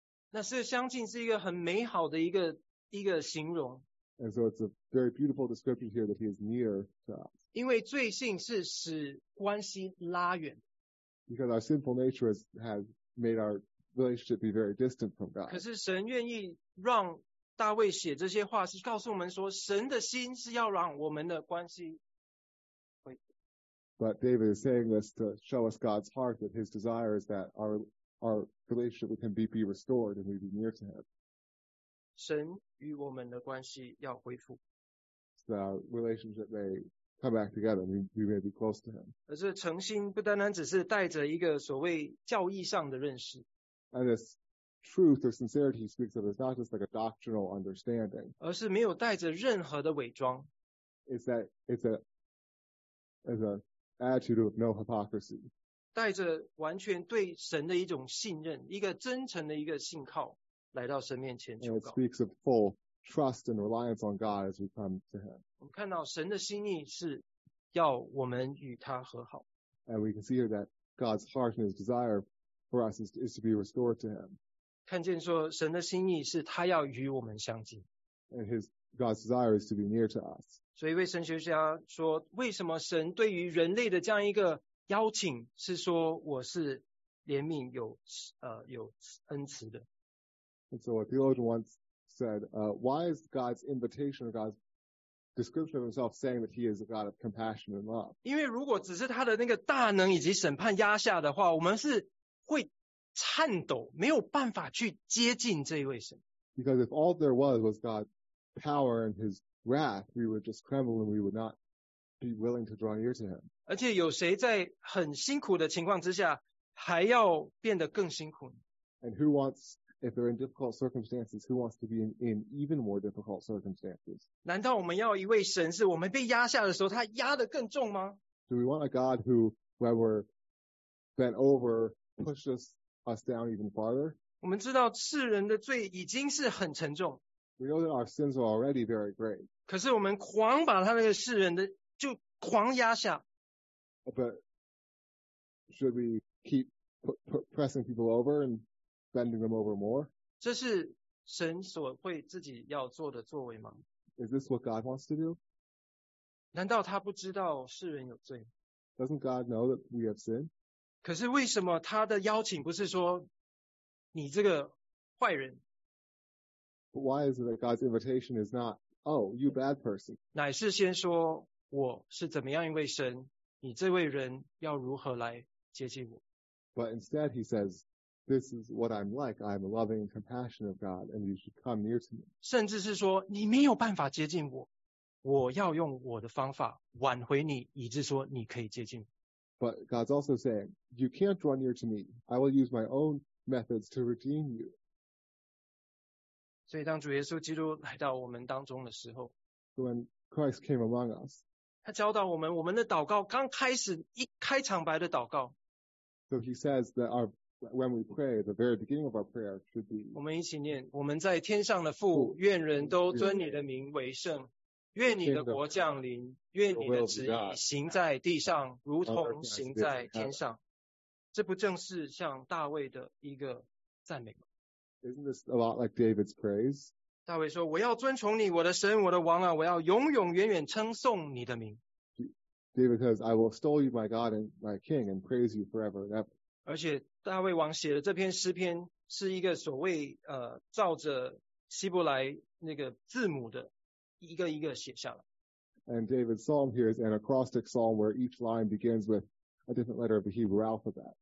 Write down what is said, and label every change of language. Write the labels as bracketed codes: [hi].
[zh] 那是相近是一个很美好的一个形容。 [en] And so it's a very beautiful description here that He is near to us. [zh] 因为罪性是使关系拉远。 [en] Because our sinful nature has made our relationship be very distant from God. [zh] 可是神愿意让大卫写这些话，是告诉我们说，神的心是要让我们的关系恢复。 [en] But David is saying this to show us God's heart, that His desire is that our relationship with Him be restored and we be near to Him. [zh] 神与我们的关系要恢复。 [en] So that our relationship may come back together, we may be close to Him. [zh] 而这诚心不单单只是带着一个所谓教义上的认识。 [en] And this truth or sincerity he speaks of is not just like a doctrinal understanding. [zh] 而是没有带着任何的伪装。 [en] It's that it's an attitude of no hypocrisy. [zh] 带着完全对神的一种信任，一个真诚的一个信靠，来到神面前求告。 [en] And it speaks of full trust and reliance on God as we come to Him. [zh] 我们看到神的心意是要我们与他和好。 [en] And we can see here that God's heart and His desire for us is to be restored to Him. [zh] 看见说神的心意是他要与我们相近。 [en] And God's desire is to be near to us. [zh] 所以一位神学家说，为什么神对于人类的这样一个邀请是说我是怜悯有恩慈的。 [en] And so a theologian once said, why is God's invitation or God's description of Himself saying that He is a God of compassion and love? [zh] 因为如果只是他的那个大能以及审判压下的话，我们是会颤抖，没有办法去接近这一位神。 [en] Because if all there was God's power and His wrath, we would just tremble and we would not be willing to draw near to Him. [zh] 而且有谁在很辛苦的情况之下，还要变得更辛苦？ [en] And who wants, if they're in difficult circumstances, who wants to be in even more difficult circumstances? [zh] 难道我们要一位神是我们被压下的时候，他压得更重吗？ [en] Do we want a God who, when we're bent over, pushes us down even farther? [zh] 我们知道世人的罪已经是很沉重。 [en] We know that our sins are already very great. [zh] 可是我们狂把他那个世人的就狂压下。 [en] But should we keep pressing people over and bending them over more? [zh] 这是神所会自己要做的作为吗？ [en] Is this what God wants to do? [zh] 难道他不知道世人有罪？ [en] Doesn't God know that we have sinned? [zh] 可是为什么他的邀请不是说你这个坏人？ [en] But why is it that God's invitation is not, oh, you bad person? [zh] 乃是先说我是怎么样一位神，你这位人要如何来接近我？ [en] But instead he says,This is what I'm like. I'm a loving and compassionate God, and you should come near to me. [zh] 甚至是说你没有办法接近我，我要用我的方法挽回你，以致说你可以接近我。 [en] But God's also saying, you can't draw near to me. I will use my own methods to redeem you. [zh] 所以当主耶稣基督来到我们当中的时候 [en] ，When Christ came among us, [zh] 他教导我们，我们的祷告刚开始一开场白的祷告。 [en] So he says that our When we pray, the very beginning of our prayer should be. [zh] 我们一起念，我们在天上的父，愿人都尊你的名为圣，愿你的国降临，愿你的旨意行在地上，如同行在天上。这不正是像大卫的一个赞美吗？ [en] Isn't this a lot like David's praise? [zh] 大卫说：“我要尊崇你，我的神，我的王啊！我要永永远远称颂你的名。” [en] David says, "I will extol you, my God and my King, and praise you forever and ever." [zh] 而且大卫王写的这篇诗篇是一个所谓照着希伯来那个字母的一个一个写下来。 [en] And David's psalm here is an acrostic psalm where each line begins with a different letter of the Hebrew alphabet.